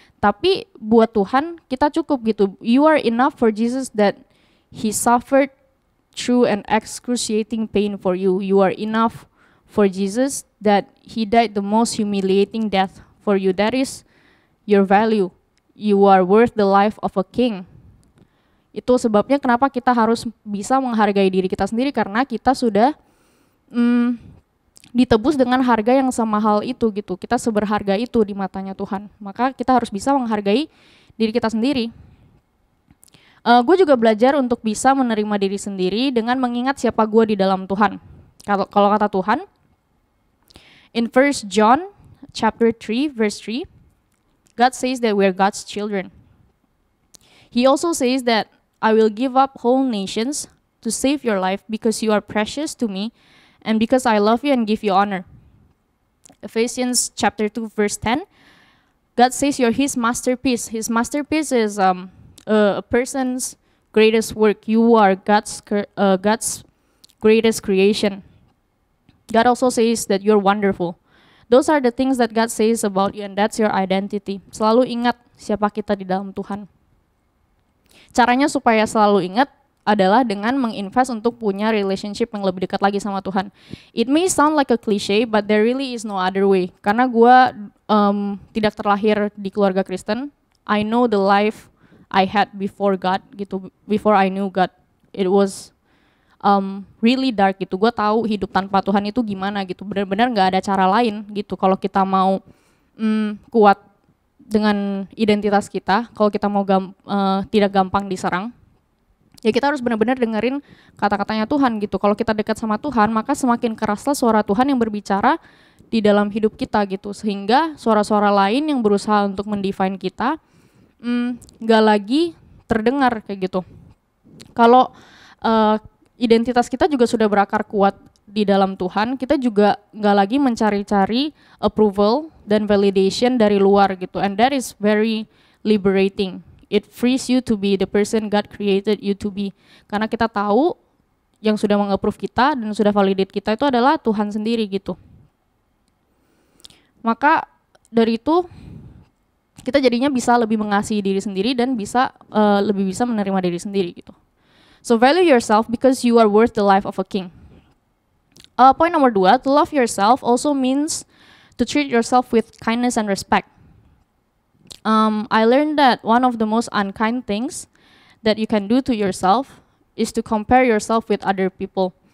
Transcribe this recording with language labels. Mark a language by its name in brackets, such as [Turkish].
[Indonesian] Tapi buat Tuhan kita cukup gitu, [English] you are enough for Jesus that he suffered through an excruciating pain for you. You are enough for Jesus that he died the most humiliating death for you. That is your value. You are worth the life of a king. [Indonesian] Itu sebabnya kenapa kita harus bisa menghargai diri kita sendiri, karena kita sudah ditebus dengan harga yang semahal itu gitu. Kita seberharga itu di matanya Tuhan. Maka kita harus bisa menghargai diri kita sendiri. Gue juga belajar untuk bisa menerima diri sendiri dengan mengingat siapa gue di dalam Tuhan. Kalau kata Tuhan, [English] in 1 John chapter 3, verse 3, God says that we are God's children. He also says that I will give up whole nations to save your life because you are precious to me and because I love you and give you honor. Ephesians chapter 2, verse 10, God says you're his masterpiece. His masterpiece is a person's greatest work. You are God's greatest creation. God also says that you're wonderful. Those are the things that God says about you, and that's your identity. [Indonesian] Selalu ingat siapa kita di dalam Tuhan. Caranya supaya selalu ingat adalah dengan menginvest untuk punya relationship yang lebih dekat lagi sama Tuhan. [English] It may sound like a cliche, but there really is no other way. [Indonesian] Karena gue tidak terlahir di keluarga Kristen, [English] I know the life I had before God gitu, before I knew God, it was really dark gitu. [Indonesian] Gua tahu hidup tanpa Tuhan itu gimana gitu. Benar-benar nggak ada cara lain gitu. Kalau kita mau kuat dengan identitas kita, kalau kita mau tidak gampang diserang, ya kita harus benar-benar dengerin kata-katanya Tuhan gitu. Kalau kita dekat sama Tuhan, maka semakin keraslah suara Tuhan yang berbicara di dalam hidup kita gitu. Sehingga suara-suara lain yang berusaha untuk mendefine kita gak lagi terdengar kayak gitu. Kalau identitas kita juga sudah berakar kuat di dalam Tuhan, kita juga gak lagi mencari-cari approval dan validation dari luar gitu. [English] And that is very liberating. It frees you to be the person God created you to be. [Indonesian] Karena kita tahu yang sudah meng-approve kita dan sudah validate kita itu adalah Tuhan sendiri gitu. Maka dari itu kita jadinya bisa lebih mengasihi diri sendiri dan bisa lebih bisa menerima diri sendiri gitu. [English] So value yourself because you are worth the life of a king. Point [Indonesian] nomor 2, [English] to love yourself also means to treat yourself with kindness and respect. I learned that one of the most unkind things that you can do to yourself is to compare yourself with other people.